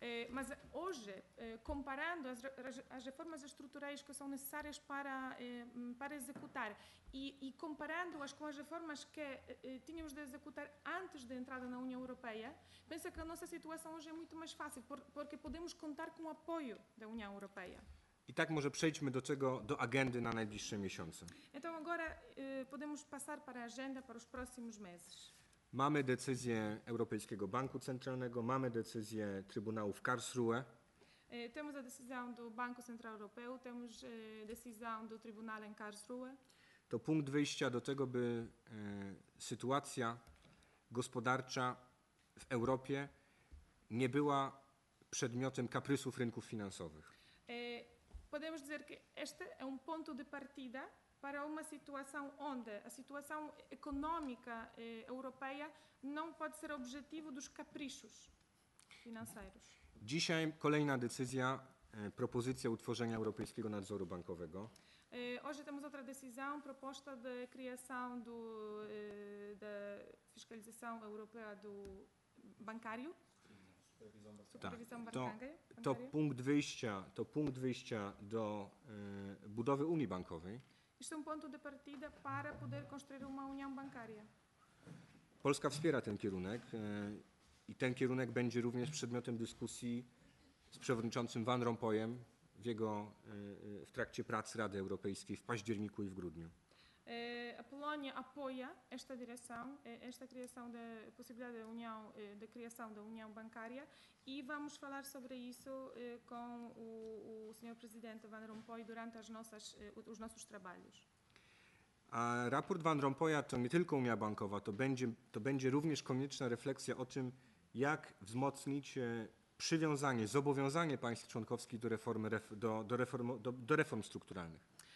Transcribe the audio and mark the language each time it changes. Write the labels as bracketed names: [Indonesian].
[Portuguese] Mas hoje, comparando as reformas estruturais que são necessárias para executar e comparando-as com as reformas que tínhamos de executar antes da entrada na União Europeia, penso que a nossa situação hoje é muito mais fácil, porque podemos contar com o apoio da União Europeia. [Polish] I tak może przejdźmy do czego, do agendy na najbliższe miesiące. [Portuguese] Então agora podemos passar para a agenda para os próximos meses. [Polish] Mamy decyzję Europejskiego Banku Centralnego, mamy decyzję Trybunału w Karlsruhe. [Portuguese] Temos a decisão do Banco Central Europeu, temos decisão do Trybunału em Karlsruhe. [Polish] To punkt wyjścia do tego, by sytuacja gospodarcza w Europie nie była przedmiotem kaprysów rynków finansowych. [Portuguese] Podemos dizer que este é um ponto de partida para uma situação onde a situação económica europeia não pode ser objetivo dos caprichos financeiros. [Polish] Dzisiaj kolejna decyzja, propozycja utworzenia Europejskiego Nadzoru Bankowego. [Portuguese] Hoje temos outra decisão, proposta de criação do, da fiscalização europeia do bancário. [Polish] Tak, to punkt wyjścia, to punkt wyjścia do budowy Unii Bankowej. [Portuguese] Jest un punto de partida para poder construir una unión bancaria. [Polish] Polska wspiera ten kierunek i ten kierunek będzie również przedmiotem dyskusji z przewodniczącym Van Rompuyem w jego w trakcie prac Rady Europejskiej w październiku i w grudniu. [Portuguese] A Polônia apoia esta direção, esta criação da possibilidade da união, da criação da união bancária e vamos falar sobre isso com o senhor presidente Van Rompuy durante as nossas, os nossos trabalhos. [Polish] A raport Van Rompuya to nie tylko unia bankowa, to będzie również konieczna refleksja o tym, jak wzmocnić przywiązanie, zobowiązanie państw członkowskich do reformy, do reform strukturalnych.